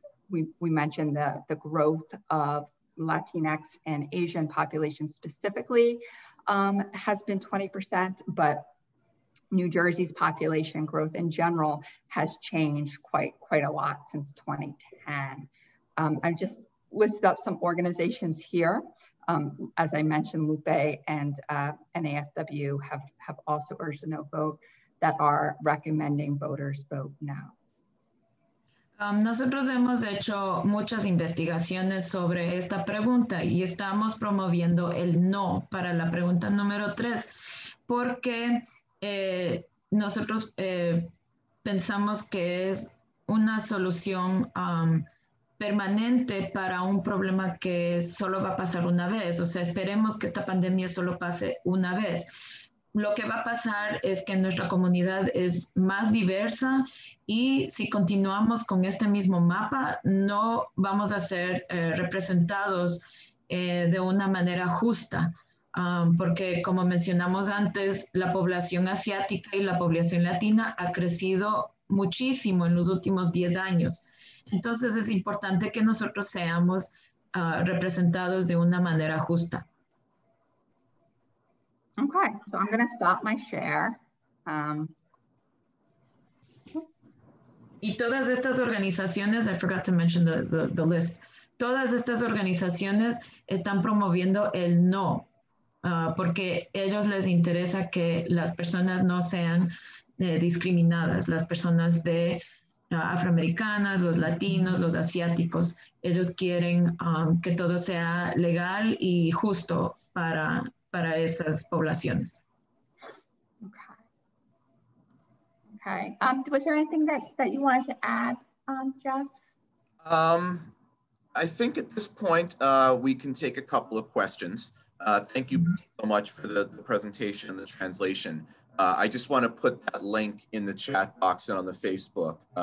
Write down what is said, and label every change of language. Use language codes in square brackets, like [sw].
[en] We mentioned the growth of Latinx and Asian populations specifically has been 20%, but New Jersey's population growth in general has changed quite a lot since 2010. I've just listed up some organizations here. As I mentioned, LUPE and NASW have also urged a no vote that are recommending voters vote no. [es] Nosotros hemos hecho muchas investigaciones sobre esta pregunta y estamos promoviendo el no para la pregunta número 3. porque nosotros pensamos que es una solución permanente para un problema que solo va a pasar una vez. O sea, esperemos que esta pandemia solo pase una vez. Lo que va a pasar es que nuestra comunidad es más diversa y si continuamos con este mismo mapa, no vamos a ser representados de una manera justa. Porque como mencionamos antes, la población asiática y la población latina ha crecido muchísimo en los últimos 10 años. Entonces es importante que nosotros seamos representados de una manera justa. [en] Okay, so I'm going to stop my share. [es] Y todas estas organizaciones, [en] I forgot to mention the list. [es] Todas estas organizaciones están promoviendo el no, porque ellos les interesa que las personas no sean discriminadas, las personas de afroamericanas, los latinos, los asiáticos. Ellos quieren que todo sea legal y justo para esas poblaciones. [en] Okay. Was there anything that you wanted to add, Jeff? I think at this point we can take a couple of questions. Thank you so much for the presentation and the translation. I just want to put that link in the chat box and on the Facebook.